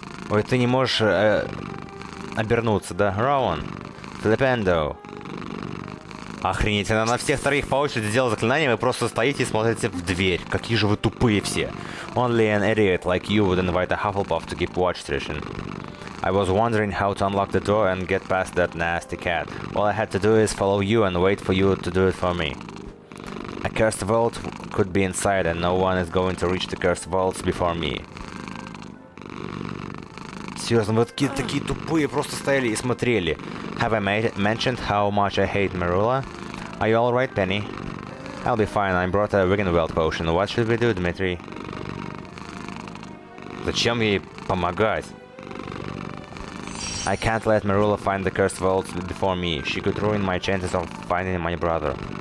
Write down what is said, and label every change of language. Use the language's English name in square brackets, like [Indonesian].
[Russian] Ой, ты не можешь обернуться, да? Роун! Флипендо! Охренеть, она на всех троих по очереди сделала заклинание, вы просто стоите и смотрите в дверь. Какие же вы тупые все! [English] Only an idiot like you would invite a Hufflepuff to keep watch, Trishan. I was wondering how to unlock the door and get past that nasty cat. All I had to do is follow you and wait for you to do it for me. A cursed vault could be inside and no one is going to reach the cursed vaults before me. [Russian] Серьезно, вы такие тупые, просто стояли и смотрели. [English] Have I mentioned how much I hate Marula? Are you alright, Penny? I'll be fine, I brought a Wiganweld potion. What should we do, Dmitry? [Russian] Зачем ей помогать? [English] I can't let Marula find the cursed vault before me. She could ruin my chances of finding my brother.